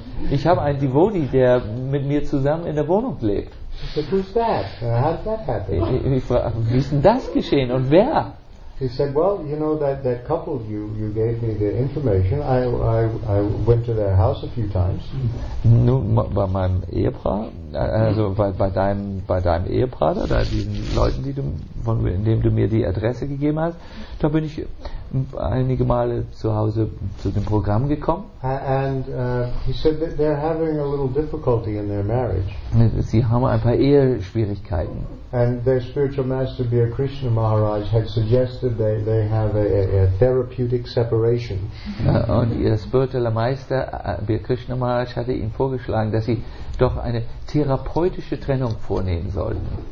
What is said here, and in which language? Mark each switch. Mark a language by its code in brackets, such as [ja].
[de] Ich habe einen Devotee, der mit mir zusammen in der Wohnung lebt. [en] He said, who's that? How did that happen? [de] Wie ist denn das geschehen und wer? [en] He said, well, you know, that couple you gave me the information, I went to their house a few times. [de] Nun, bei meinem Ehepaar, also bei deinem Ehepartner, da diesen Leuten, in dem du mir die Adresse gegeben hast, da bin ich einige Male zu Hause zu dem Programm gekommen. [en] And he said that they're having a little difficulty in their marriage. [de] Sie haben ein paar Eheschwierigkeiten. [en] And their spiritual master, Bir Krishna Maharaj, had suggested they have a therapeutic separation. [de] Und ihr spiritueller Meister, Bir Krishna Maharaj, hatte ihnen vorgeschlagen, dass sie doch eine therapeutische Trennung vornehmen sollten.